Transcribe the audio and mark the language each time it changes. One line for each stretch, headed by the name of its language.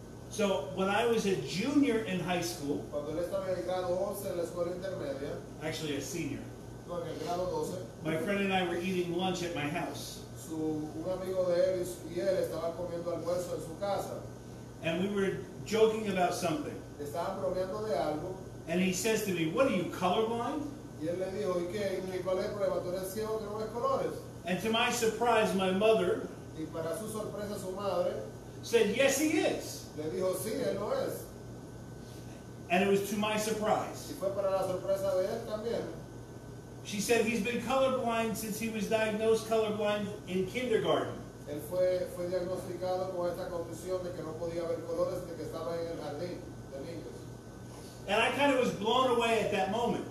English: So when I was a junior in high school,
Spanish: cuando él estaba en el grado 11 en la escuela intermedia,
English: actually a senior,
Spanish: en el grado 12,
English: my friend and I were eating lunch at my house.
Spanish: Un amigo de él y él estaban comiendo almuerzo en su casa.
English: And we were joking about something.
Spanish: Estaban bromeando de algo.
English: And he says to me, what are you, colorblind?
Spanish: Y él le dijo, ¿y qué? ¿Cuál es el problema? ¿Tú eres ciego que no ves colores?
English: And to my surprise, my mother,
Spanish: y para su sorpresa, su madre,
English: said, yes, he is.
Spanish: Le dijo, sí, él lo es.
English: And it was to my surprise.
Spanish: Y fue para la sorpresa de él también.
English: She said he's been colorblind since he was diagnosed colorblind in kindergarten.
Spanish: Él fue diagnosticado con esta condición de que no podía ver colores desde que estaba en el jardín de niños.
English: And I kind of was blown away at that moment.